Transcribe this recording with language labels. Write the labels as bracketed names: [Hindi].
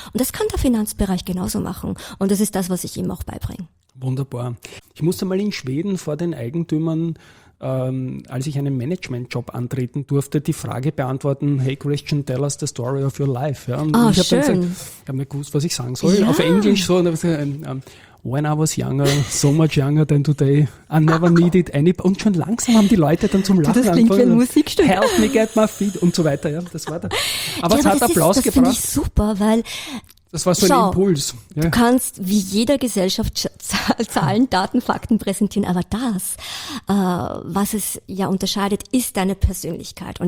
[German] Und das kann der Finanzbereich genauso machen. Und das ist das, was ich ihm auch beibringe. Wunderbar. Ich musste mal in Schweden vor den Eigentümern, als ich einen Management-Job antreten durfte, die Frage beantworten, hey Christian, [English] tell us the story of your life. [German] Ja, und oh, ich habe dann gesagt, ich habe nicht gewusst, was ich sagen soll, auf Englisch so. Und gesagt, [English] when I was younger, so much younger than today, I never needed any. [German] Und schon langsam haben die Leute dann zum Lachen angefangen. Das klingt wie ein Musikstück. [English] Help me get my feet [German] und so weiter. Ja, das war da. Aber es hat Applaus gebracht. Das finde ich super, weil... Das war so ein Impuls. Ja. Du kannst wie jeder Gesellschaft Zahlen, Daten, Fakten präsentieren, aber das, was es ja unterscheidet, ist deine Persönlichkeit.